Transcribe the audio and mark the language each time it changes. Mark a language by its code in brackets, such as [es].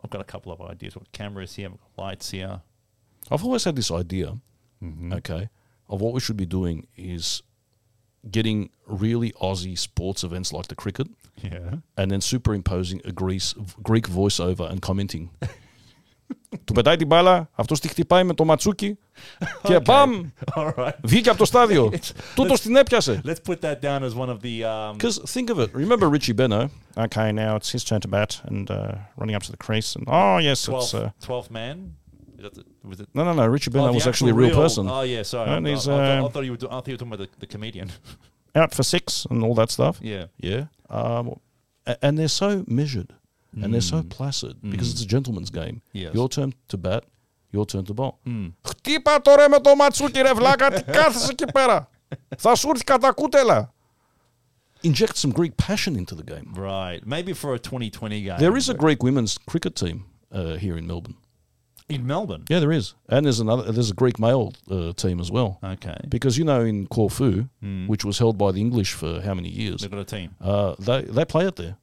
[en] I've got a couple of ideas. We've got cameras here, lights here. I've always had this idea, mm-hmm. okay, of what we should be doing is getting really Aussie sports events like the cricket and then superimposing a Greek voiceover and commenting. [el] Του πετάει την μπάλα, αυτός τη χτυπάει με το ματσούκι και μπαμ, βγήκε από το στάδιο. Τούτος την έπιασε. [en] Let's put that down as one of the... Because think of it, remember Richie Beno? Okay, now it's his turn to bat and running up to the crease. And oh yes, 12th, it's... 12th man? No, Richie Beno was actually a real person. Oh yeah, sorry. And he's, I thought you were talking about the comedian. Out for six and all that stuff. Yeah. Yeah. And they're so measured. And they're so placid because it's a gentleman's game. Yes. Your turn to bat, your turn to bowl. [el] Χτύπα τώρα με το ματσούκι ρε βλάκα, τι κάθεσαι εκεί πέρα. Θα σου έρθει κατά κούτελα. [en] Inject some Greek passion into the game. Right. Maybe for a 2020 game. There is a Greek women's cricket team here in Melbourne. In Melbourne? Yeah, there is. And there's a Greek male team as well. Okay. Because, you know, in Corfu, which was held by the English for how many years? They've got a team. They play it there.